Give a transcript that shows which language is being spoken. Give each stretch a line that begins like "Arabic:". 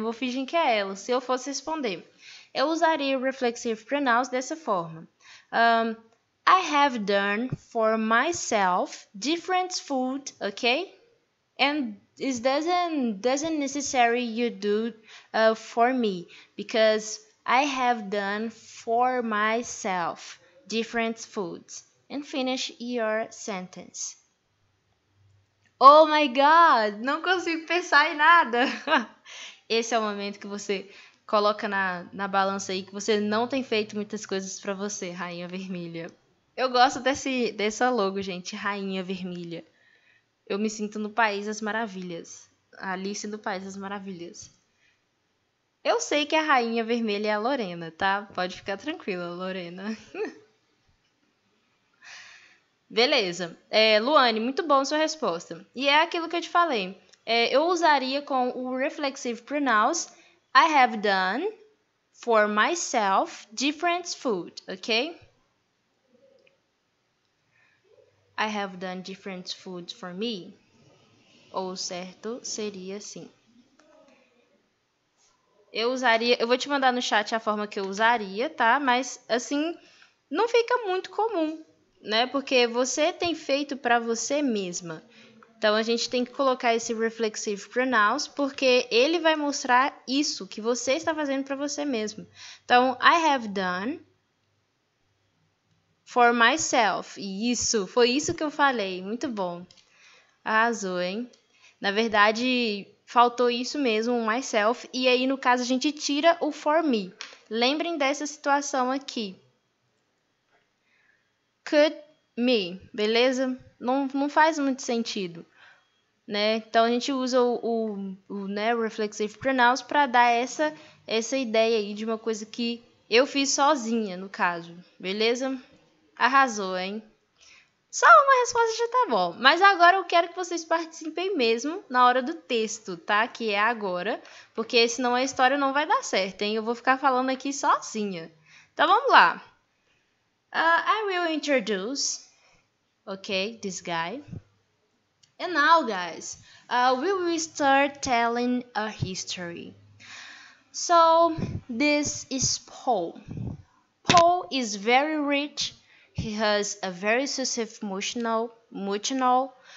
Portuguese: Vou fingir que é ela, se eu fosse responder. Eu usaria o reflexive pronouns dessa forma.
English: I have done for myself different food, okay? And it doesn't necessary you do for me, because I have done for myself different foods. And finish your sentence. Oh my God,
Portuguese: não consigo pensar em nada. Esse é o momento que você coloca na balança aí que você não tem feito muitas coisas pra você, Rainha Vermelha. Eu gosto dessa logo, gente, Rainha Vermelha. Eu me sinto no País das Maravilhas. Alice no País das Maravilhas. Eu sei que a Rainha Vermelha é a Lorena, tá? Pode ficar tranquila, Lorena. Beleza. Luane, muito bom a sua resposta. E é aquilo que eu te falei. Eu usaria com o
English: reflexive pronouns I have done for myself different food, ok? I have done different food for me.
Portuguese: Ou certo, seria assim. Eu vou te mandar no chat a forma que eu usaria, tá? Mas, assim, não fica muito comum. Né? Porque você tem feito para você mesma. Então, a gente tem que colocar esse reflexive pronouns, porque ele vai mostrar isso que você está fazendo para você mesma.
English: Então, I have done for myself.
Portuguese: Isso, foi isso que eu falei. Muito bom. Arrasou, hein? Na verdade, faltou isso mesmo, myself. E aí, no caso, a gente tira o
English: for me.
Portuguese: Lembrem dessa situação aqui.
English: Could me,
Portuguese: beleza? Não faz muito sentido, né? Então, a gente usa o reflexive pronouns para dar essa ideia aí de uma coisa que eu fiz sozinha, no caso, beleza? Arrasou, hein? Só uma resposta já tá bom. Mas agora eu quero que vocês participem mesmo na hora do texto, tá? Que é agora, porque senão a história não vai dar certo, hein? Eu vou ficar falando aqui sozinha. Então, vamos lá.
English: I will introduce Okay, this guy. And now, guys, we will start telling a history. So, this is Paul. Paul is very rich. He has a very successful emotional.